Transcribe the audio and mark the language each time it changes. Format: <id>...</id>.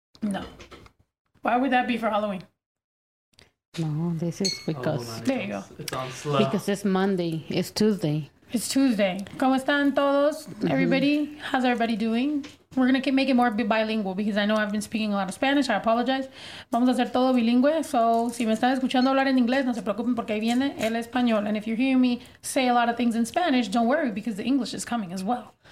<en>No. Why would that be for Halloween? No, this is because... Oh, there you go. It's on slow. Because it's Monday. It's Tuesday. It's Tuesday.</en> <es>¿Cómo están todos?</es> <en>Everybody? Mm-hmm. How's everybody doing? We're going to make it more bilingual because I know I've been speaking a lot of Spanish. I apologize.</en> <es>Vamos a hacer todo bilingüe. So, si me están escuchando hablar en inglés, no se preocupen porque ahí viene el español.</es> <en>And if you're hearing me say a lot of things in Spanish, don't worry because the English is coming as well.</en>